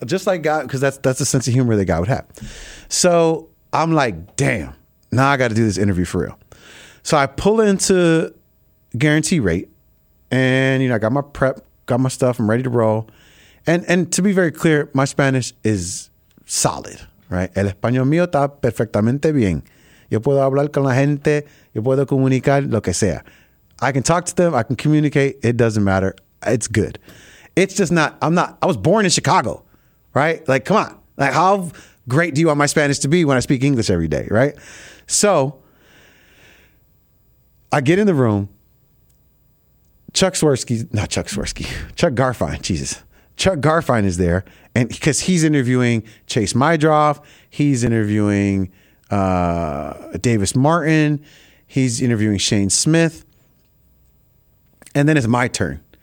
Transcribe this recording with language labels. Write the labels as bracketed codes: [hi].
[en] Just like God, because that's the sense of humor that God would have. So I'm like, damn, now I got to do this interview for real. So I pull into Guarantee Rate. And, you know, I got my prep, got my stuff. I'm ready to roll. And to be very clear, my Spanish is solid, right? [es] El español mío está perfectamente bien. Yo puedo hablar con la gente. Yo puedo comunicar lo que sea. [en] I can talk to them. I can communicate. It doesn't matter. It's good. It's just not, I was born in Chicago, right? Like, come on. Like, how great do you want my Spanish to be when I speak English every day, right? So I get in the room. Chuck Garfine is there, and because he's interviewing Chase Meidroff, he's interviewing Davis Martin, he's interviewing Shane Smith, and then it's my turn.